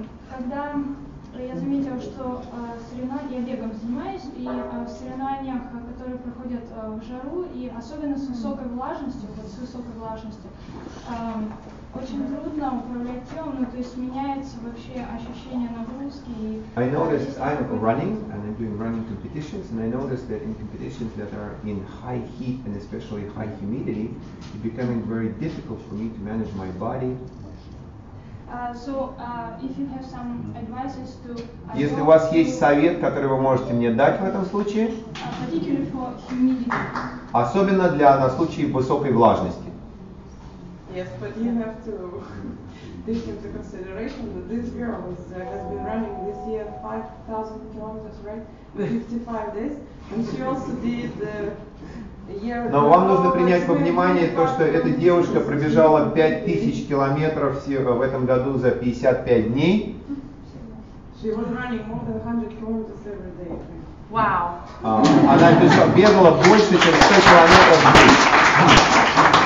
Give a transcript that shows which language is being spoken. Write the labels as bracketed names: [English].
[Russian] Когда я заметила, что я бегом занимаюсь, и в соревнованиях, которые проходят в жару, и особенно с высокой влажностью, вот с высокой влажностью, очень трудно управлять телом, ну, то есть меняется вообще ощущение нагрузки. [English] I noticed I'm running and I'm doing running competitions, and I noticed that in competitions that are in high heat and especially high humidity, it's becoming very difficult for me to manage my body. If you have some advices to. [Russian] Если у вас есть совет, который вы можете мне дать в этом случае? [English] Particularly for humidity. [Russian] Особенно для на случай высокой влажности. [English] Yes, but you have to take into consideration that this girl has been running this year 5,000 kilometers, right? 55 days, and she also did the year. [Russian] Но вам нужно принять во внимание то, что эта девушка пробежала 5000 километров в этом году за 55 дней. [English] She was running more than 100 kilometers every day. Wow. [Russian] Она бегала больше, чем 100 километров в день.